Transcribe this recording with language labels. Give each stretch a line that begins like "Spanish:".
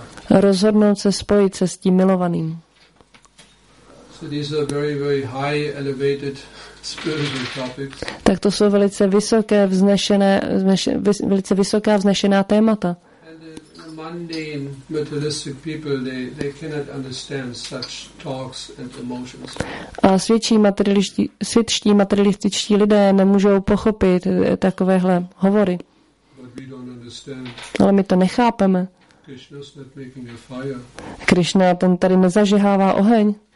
Czech: Rozhodnout se spojit se s tím milovaným.
English: So these are very, very high, elevated spiritual topics.
Czech: Tak to jsou velice vysoké, vznešené, velice vysoká vznešená témata.
English: And the mundane, materialistic people, they cannot understand such talks and emotions.
Czech: A světští materialističtí lidé nemůžou pochopit takovéhle hovory.
English: But we don't understand.
Czech: Ale my to nechápeme.
English: Krishna's not making a fire.
Czech: Krishna ten tady nezažehává oheň.